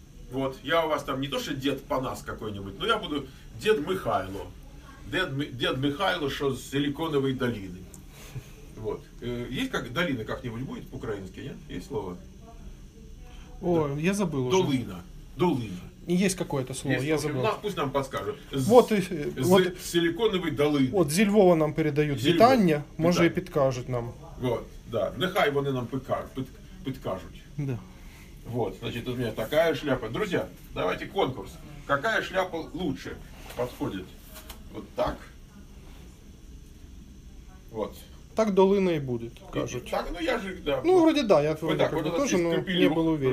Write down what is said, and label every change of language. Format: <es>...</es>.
<ru>Вот. Я у вас там не то, что дед Панас какой-нибудь, но я буду дед Михайло. Дед Михайло, что с Силиконовой долины. Вот. Есть как долина как-нибудь будет по-украински, нет? Есть слово? О, да. Я забыл. Долина. Уже. Долина. Есть какое-то слово, есть, я забыл. Нам, пусть нам подскажут. Вот. Силиконовой долины.</ru> <uk>Вот зі Львова нам передают питання, може, и підкажуть нам. Вот, да. Нехай вони нам підкажуть.</uk> <ru>Да. Вот, значит, у меня такая шляпа. Друзья, давайте конкурс. Какая шляпа лучше подходит? Вот так. Вот. Так долина и будет, кажут. Так, ну я же, да. Ну, вроде да, я вроде так, вот тоже, но капелюх, не был уверен.</ru>